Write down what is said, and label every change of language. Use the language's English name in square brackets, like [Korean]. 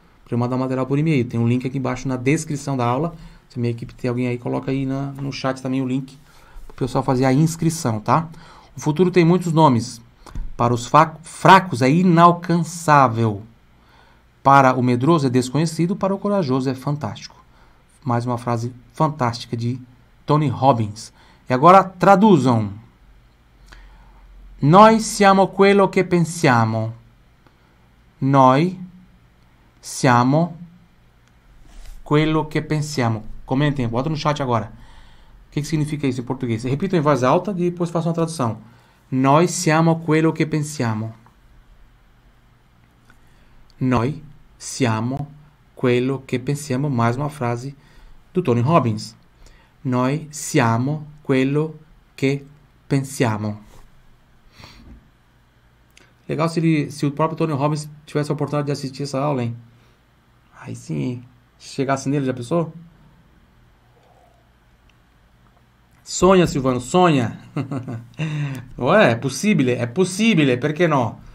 [Portuguese] Para eu mandar o material por e-mail. Tem um link aqui embaixo na descrição da aula. Se minha equipe tem alguém aí, coloca aí no chat também o link para o pessoal fazer a inscrição, tá? O futuro tem muitos nomes. Para os fracos é inalcançável. Para o medroso é desconhecido, para o corajoso é fantástico. Mais uma frase fantástica de Tony Robbins. E agora traduzam. [Italian] Noi siamo quello che pensiamo. Noi siamo quello che pensiamo. [Portuguese] Comentem, bota no chat agora. O que significa isso em português? Repito em voz alta e depois faço uma tradução. [Italian] Noi siamo quello che pensiamo. Noi siamo quello che pensiamo. [Portuguese] Mais uma frase do Tony Robbins. [Italian] Noi siamo quello che pensiamo. [Portuguese] Legal se o próprio Tony Robbins tivesse a oportunidade de assistir essa aula, hein? Aí sim, chegasse nele, já pensou? Sonha, Silvano, sonha. Ué, é possível, por que não?